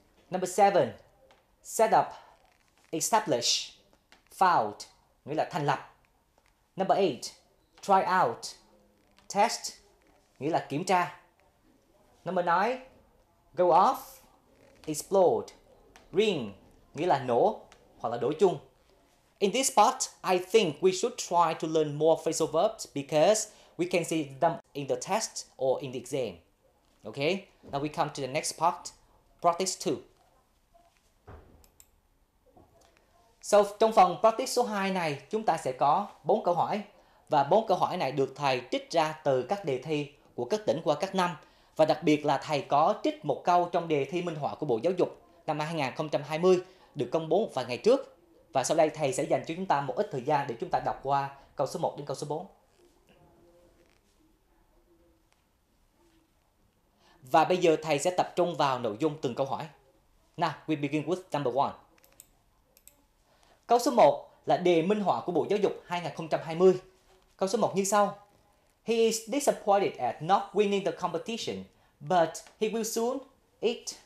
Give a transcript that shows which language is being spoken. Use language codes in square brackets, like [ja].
[en] Number 7, set up, establish, found, [vi] nghĩa là thành lập. [en] Number 8, try out, test, [vi] nghĩa là kiểm tra. [en] Number 9, go off, explode, ring, [vi] nghĩa là nổ hoặc là đổ chung. [en] In this part, I think we should try to learn more phrasal verbs because we can see them in the test or in the exam. Okay, now we come to the next part, practice 2. [vi] So trong phần practice số 2 này, chúng ta sẽ có 4 câu hỏi. Và 4 câu hỏi này được thầy trích ra từ các đề thi của các tỉnh qua các năm. Và đặc biệt là thầy có trích một câu trong đề thi minh họa của Bộ Giáo dục năm 2020 được công bố vài ngày trước. Và sau đây thầy sẽ dành cho chúng ta một ít thời gian để chúng ta đọc qua câu số 1 đến câu số 4. Và bây giờ thầy sẽ tập trung vào nội dung từng câu hỏi. [en] Now, we begin with number 1. [vi] Câu số 1 là đề minh họa của Bộ Giáo dục 2020. Câu số 1 như sau. [en] He is disappointed at not winning the competition, but he will soon eat.